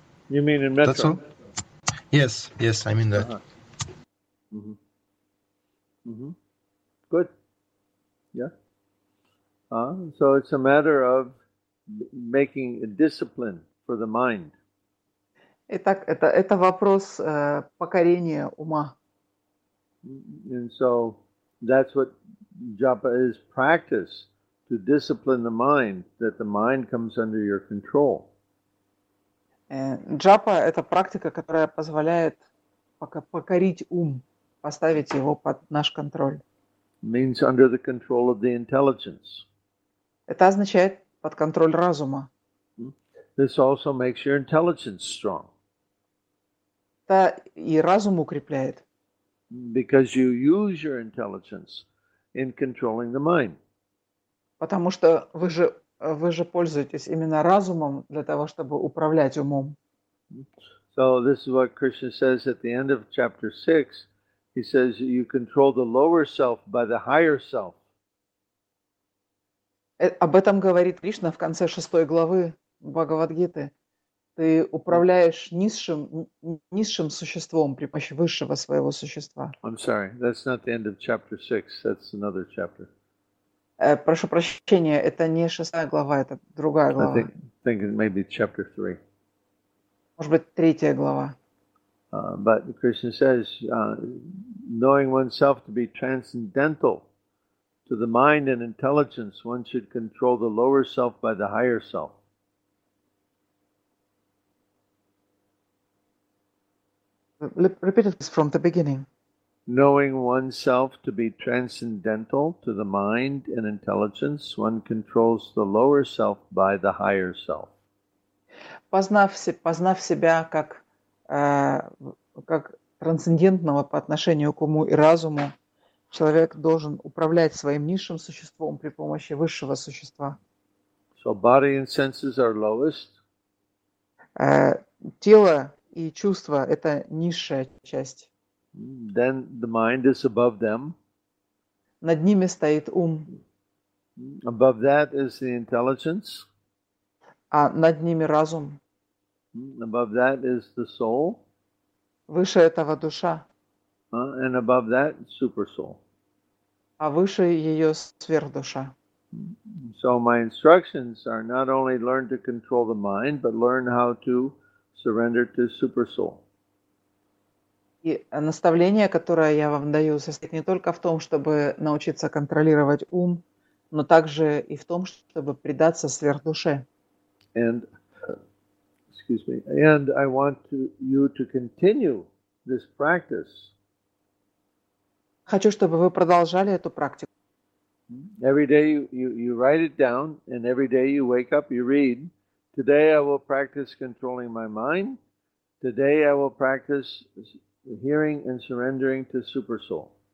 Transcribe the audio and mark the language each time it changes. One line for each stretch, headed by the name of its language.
English: You mean in metro? That's all? Yes, yes, I mean that. Uh-huh. Mm-hmm. Mm-hmm. Good. Yeah. So it's a matter of making a discipline for the mind.
Russian: Итак, это вопрос покорения ума.
English: And so that's what japa is, practice to discipline the mind, that the mind comes under your control.
Russian: Japa – это практика, которая позволяет покорить ум. Поставить его под наш контроль.
English: Means under the control of the intelligence.
Russian: Это означает под контроль разума.
English: This also makes your intelligence strong.
Russian: Это и разум укрепляет.
English: Because you use your intelligence in controlling the mind.
Russian: Потому что вы же вы же пользуетесь именно разумом для того, чтобы управлять умом.
English: So this is what Krishna says at the end of chapter 6. He says, you control the lower self by the higher self.
Russian: Об этом говорит Кришна в конце шестой главы Бхагавадгиты. Ты управляешь низшим существом при помощи высшего своего существа.
English: I'm sorry, that's not the end of chapter 6. That's another chapter.
Russian: Прошу прощения, это не шестая глава, это другая глава.
English: I think it may be chapter 3.
Russian: Может быть, третья глава.
English: But Krishna says, knowing oneself to be transcendental to the mind and intelligence, one should control the lower self by the higher self. Repeat it from the beginning. Knowing oneself to be transcendental to the mind and intelligence, one controls the lower self by the higher self.
Russian: Познав себя как трансцендентного по отношению к уму и разуму, человек должен управлять своим низшим существом при помощи высшего существа.
English: So body and senses are lowest.
Russian: Тело и чувства – это низшая часть.
English: Then the mind is above them.
Russian: Над ними стоит ум.
English: Above that is the intelligence.
Russian: А над ними разум.
English: Above that is the soul.
Russian: Выше этого душа.
English: And above that, super soul.
Russian: А выше ее сверхдуша.
English: So my instructions are not only learn to control the mind, but learn how to surrender to super soul.
Russian: И наставление, которое я вам даю, состоит не только в том, чтобы научиться контролировать ум, но также и в том, чтобы предаться сверхдуше.
English: And I want you to continue this practice.
Russian: Хочу, чтобы вы продолжали эту практику.
English: Every day you write it down, and every day you wake up, you read. Today I will practice controlling my mind. Today I will practice hearing and surrendering to super soul.